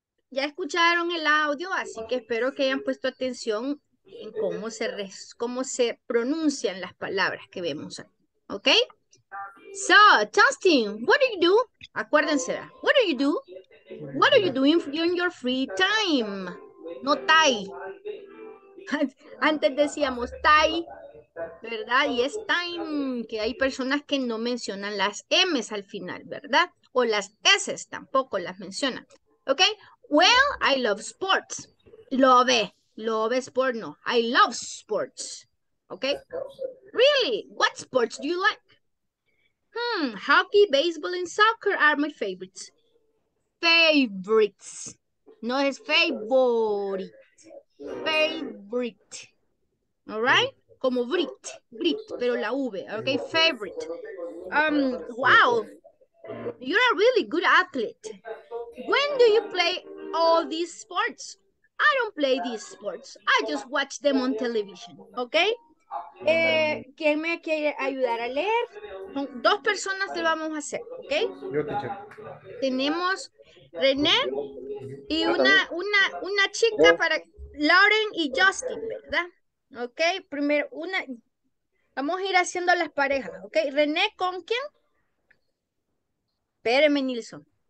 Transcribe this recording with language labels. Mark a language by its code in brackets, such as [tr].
[es] Ya escucharon el audio, así que espero que hayan puesto atención en cómo se pronuncian las palabras que vemos aquí, ¿ok? [en] So, Justin, what do you do? [es] Acuérdense, [en] what do you do? What are you doing in your free time? [es] No tai. Antes decíamos tai, ¿verdad? Y es time, que hay personas que no mencionan las M's al final, ¿verdad? O las S's tampoco las mencionan, ¿ok? [en] Well, I love sports. Love sport, no. I love sports, ¿ok? Really, what sports do you like? Hockey, baseball, and soccer are my favorites. [es] Favorites, no es favorite. [en] Favorite, all right? [es] Como Brit, pero la V, [en] okay? Favorite. Wow, you're a really good athlete. When do you play all these sports? I don't play these sports. I just watch them on television, okay? [es] ¿Quién me quiere ayudar a leer? Son dos personas que lo vamos a hacer, ¿ok? Yo, teacher. Tenemos René y una chica para Lauren y Justin, ¿verdad? Ok, primero una. Vamos a ir haciendo las parejas, ¿ok? René, ¿con quién? Espéreme, Nilsson.